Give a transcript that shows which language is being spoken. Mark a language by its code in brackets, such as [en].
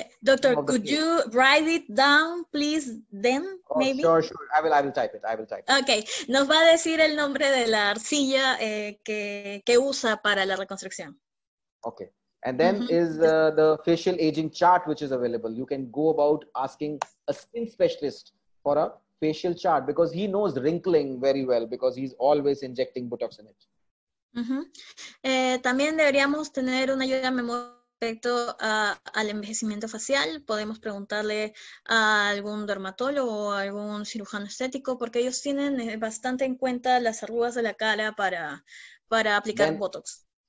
[en] Doctor, could you write it down, please, then, maybe? Sure, sure. I will type it. Okay. [es] Nos va a decir el nombre de la arcilla que usa para la reconstrucción. Okay. [en] And then is the facial aging chart, which is available. You can go about asking a skin specialist for a facial chart because he knows wrinkling very well because he's always injecting Botox in it. [es] También deberíamos tener una ayuda memoria. Respecto al envejecimiento facial, podemos preguntarle a algún dermatólogo o algún cirujano estético, porque ellos tienen bastante en cuenta las arrugas de la cara para aplicar then, Botox.